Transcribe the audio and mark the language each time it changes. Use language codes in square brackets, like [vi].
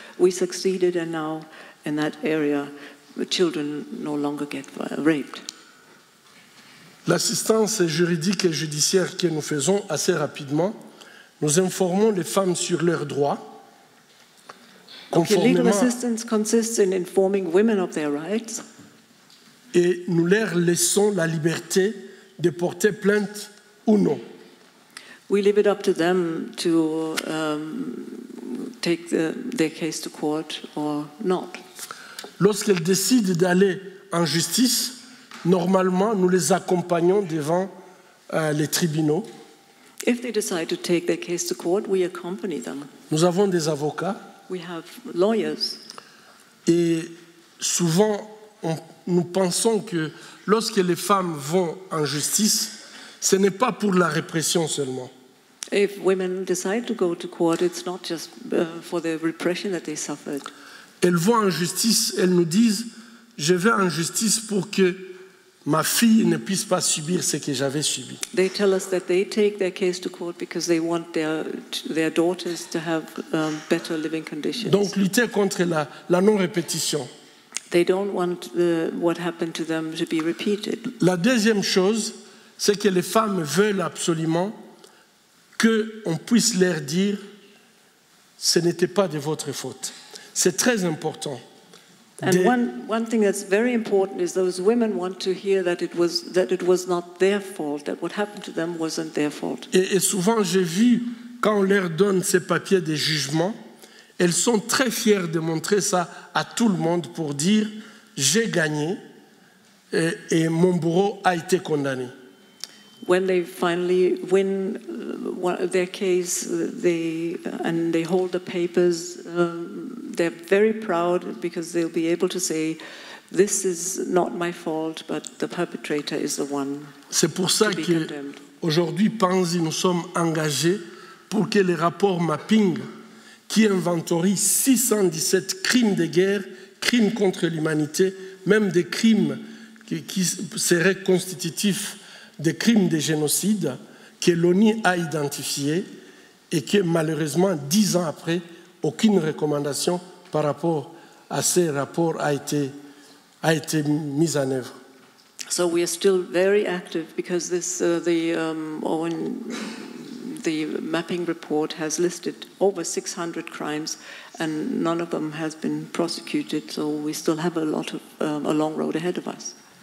[en] We succeeded, and now in that area, the children no longer get raped. [fr] L'assistance juridique et judiciaire que nous faisons assez rapidement, nous informons les femmes sur leurs droits. [en] Okay, legal assistance consists in informing women of their rights. [fr] Et nous leur laissons la liberté de porter plainte ou non. [en] We leave it up to them to take their case to court or not. [fr] Lorsqu'elles décident d'aller en justice, normalement, nous les accompagnons devant les tribunaux. [en] If they decide to take their case to court, we accompany them. [fr] Nous avons des avocats. [en] We have lawyers. [fr] Et souvent, nous pensons que lorsque les femmes vont en justice, ce n'est pas pour la répression seulement. [en] If women decide to go to court, it's not just for the repression that they suffered. [fr] Elles vont en justice, elles nous disent, je vais en justice pour que ma fille ne puisse pas subir ce que j'avais subi. [en] They tell us that they take their case to court because they want their daughters to have better living conditions. [fr] Donc lutter contre la non-répétition. [en] They don't want what happened to them to be repeated. [fr] La deuxième chose, c'est que les femmes veulent absolument qu'on puisse leur dire ce n'était pas de votre faute. C'est très important. [en] And one thing that's very important is those women want to hear that it was not their fault, that what happened to them wasn't their fault. [fr] Et souvent j'ai vu quand on leur donne ces papiers de jugement, elles sont très fières de montrer ça à tout le monde pour dire j'ai gagné et mon bourreau a été condamné. [en] When they finally win their case, they hold the papers, they're very proud because they'll be able to say, this is not my fault, but the perpetrator is the one. [fr] C'est pour ça qu'aujourd'hui, Panzi, nous sommes engagés pour que les rapports mapping qui inventorient 617 crimes de guerre, crimes contre l'humanité, même des crimes qui seraient constitutifs des crimes de génocide que l'ONU a identifiés et que malheureusement, 10 ans après, aucune recommandation par rapport à ces rapports a été mise en œuvre. [en] So we are still very active because this the mapping report has listed over 600 crimes and none of them has been prosecuted, so we still have a long road ahead of us.